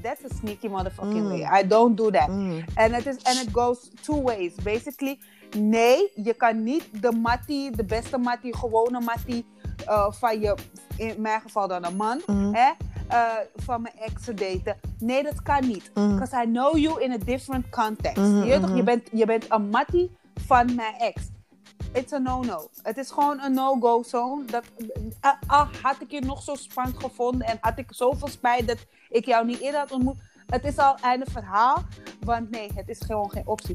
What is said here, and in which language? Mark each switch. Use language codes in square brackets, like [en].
[en] That's a sneaky motherfucking way. I don't do that. Mm. And it goes two ways. [nl] Basically, nee, je kan niet de mattie, de beste mattie, gewone mattie van je, in mijn geval dan een man, van mijn ex daten. Nee, dat kan niet. [en] Because I know you in a different context. [nl] Mm-hmm, je bent een mattie van mijn ex. [en] It's a no-no. [nl] Het is gewoon een no-go zone. Had ik je nog zo spannend gevonden en had ik zoveel spijt dat ik jou niet eerder had ontmoet. Het is al einde verhaal. Want nee, het is gewoon geen optie.